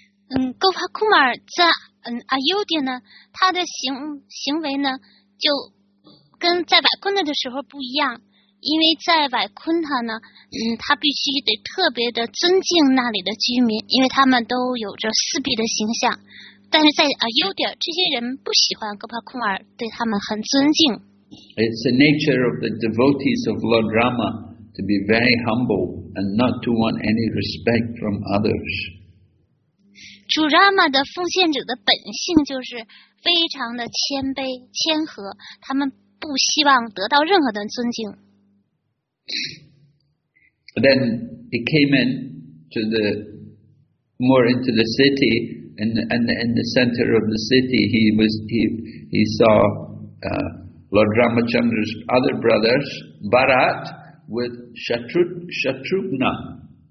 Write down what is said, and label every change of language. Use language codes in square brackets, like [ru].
[zh] Gopa Kumar 在Ayodhya 呢，他的行为呢，就跟在Vaikuntha的时候不一样，因为在Vaikuntha呢，他必须得特别的尊敬那里的居民，因为他们都有着四臂的形象。但是在 Ayodhya 这些人不喜欢 Gopal Kumar， 对他们很尊敬。 [en] It's the nature of the devotees of Lord Rama to be very humble and not to want any respect from others. [zh] 主 Rama 的奉献者的本性就是非常的谦卑谦和，他们不希望得到任何的尊敬。 [en] Then he came in to the more into the city, and in the center of the city, he saw Lord Ramachandra's other brothers, Bharat, with Shatrughna.